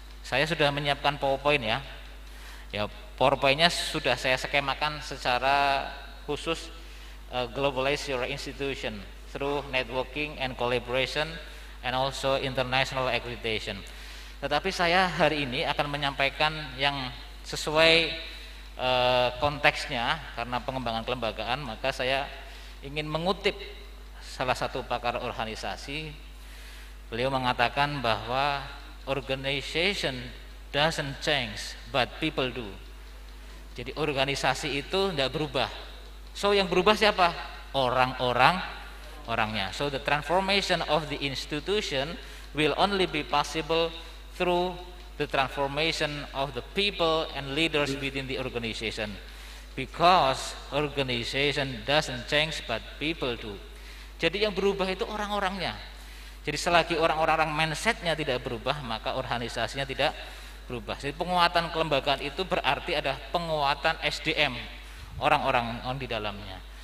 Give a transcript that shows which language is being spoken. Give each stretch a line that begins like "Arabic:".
Indonesian: Saya sudah menyiapkan PowerPoint ya. Ya, PowerPoint-nya sudah saya skemakan secara khusus
English: globalize your institution through networking and collaboration and also international accreditation.
Indonesian: Tetapi saya hari ini akan menyampaikan yang sesuai konteksnya, karena pengembangan kelembagaan maka saya ingin mengutip salah satu pakar organisasi. Beliau mengatakan bahwa
English: organization doesn't change but people do.
Indonesian: Jadi organisasi itu enggak berubah, so yang berubah siapa? Orang-orangnya.
English: So the transformation of the institution will only be possible through the transformation of the people and leaders within the organization. because organization doesn't change but people do.
Indonesian: Jadi yang berubah itu orang-orangnya. Jadi selagi orang-orang mindsetnya tidak berubah, maka organisasinya tidak berubah. Jadi penguatan kelembagaan itu berarti ada penguatan SDM, orang-orang di dalamnya.